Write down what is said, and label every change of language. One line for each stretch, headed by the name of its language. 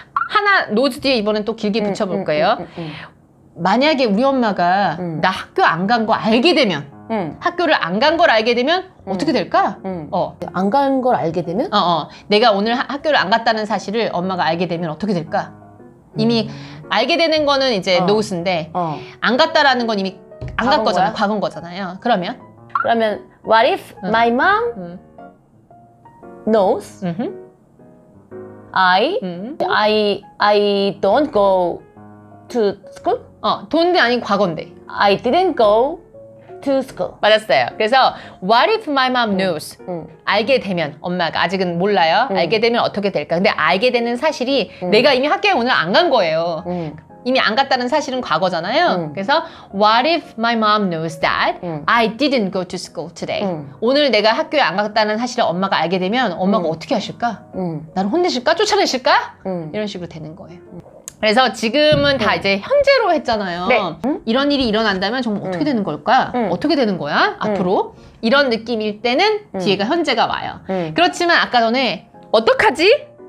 Korean: 하나 knows 뒤에 이번엔 또 길게 붙여볼까요? 만약에 우리 엄마가 나 학교 안 간 거 알게 되면 학교를 안 간 걸 알게 되면 어떻게 될까? 안 간 걸 알게 되면? 내가 오늘 학교를 안 갔다는 사실을 엄마가 알게 되면 어떻게 될까? 이미 알게 되는 거는 이제 knows인데 안 갔다라는 건 이미 아까 거잖아요. 과거 거잖아요. 그러면? 그러면
English: what if my mom knows I don't go to school?
Korean: 어, don't 아닌 과거인데.
English: I didn't go to school.
Korean: 맞았어요. 그래서
English: what if my mom knows?
Korean: 알게 되면 엄마가 아직은 몰라요. 알게 되면 어떻게 될까? 근데 알게 되는 사실이 내가 이미 학교에 오늘 안 간 거예요. 이미 안 갔다는 사실은 과거잖아요. 그래서
English: what if my mom knows that I didn't go to school today?
Korean: 오늘 내가 학교에 안 갔다는 사실을 엄마가 알게 되면 엄마가 어떻게 하실까? 나를 혼내실까? 쫓아내실까? 이런 식으로 되는 거예요. 그래서 지금은 다 이제 현재로 했잖아요. 네. 이런 일이 일어난다면 정말 어떻게 되는 걸까? 어떻게 되는 거야? 앞으로? 이런 느낌일 때는 뒤에가 현재가 와요. 그렇지만 아까 전에 어떡하지?